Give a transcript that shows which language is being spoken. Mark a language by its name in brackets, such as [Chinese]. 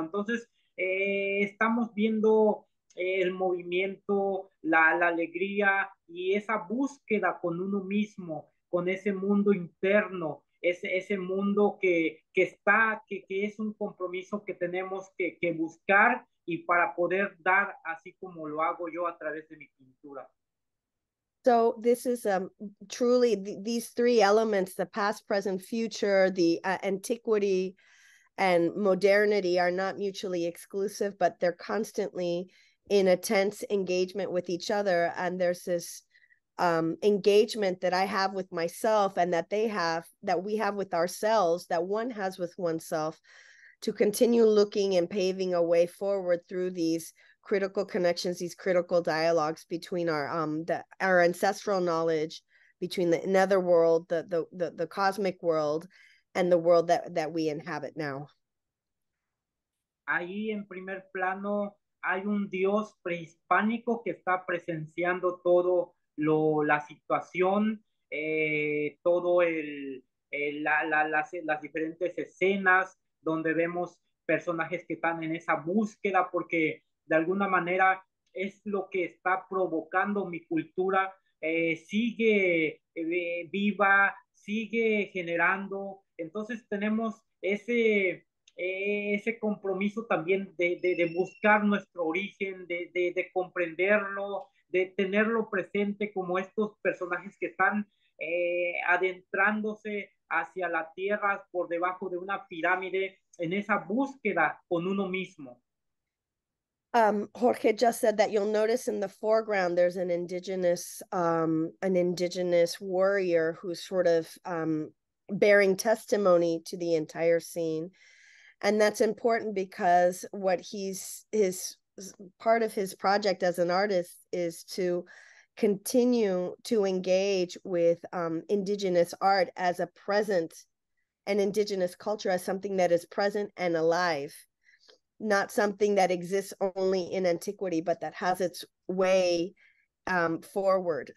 [Spanish] Entonces estamos viendo el movimiento, la alegría y esa búsqueda con uno mismo, con ese mundo interno. Ese mundo que es un compromiso que tenemos que buscar y para poder dar así como lo hago yo a través de mi pintura. [English] So this is truly these three elements, the past, present, future, the antiquity and modernity are not mutually exclusive, but they're constantly in a tense engagement with each other. And there's this engagement that I have with myself and that they have, that we have with ourselves, that one has with oneself, to continue looking and paving a way forward through these critical connections, these critical dialogues between our ancestral knowledge, between the netherworld, the cosmic world, and the world that we inhabit now. [Spanish] Ahí en primer plano hay un dios prehispánico que está presenciando todo lo la situación, todo el la la las diferentes escenas donde vemos personajes que están en esa búsqueda, porque de alguna manera es lo que está provocando mi cultura, sigue viva, sigue generando. Entonces tenemos ese compromiso también de buscar nuestro origen, de comprenderlo, de tenerlo presente como estos personajes que están adentrándose hacia la tierra por debajo de una pirámide en esa búsqueda con uno mismo. [English] Jorge just said that you'll notice in the foreground there's an indigenous warrior who's sort of bearing testimony to the entire scene. And that's important because what his part of his project as an artist is to continue to engage with indigenous art as a present, an indigenous culture as something that is present and alive, not something that exists only in antiquity, but that has its way forward.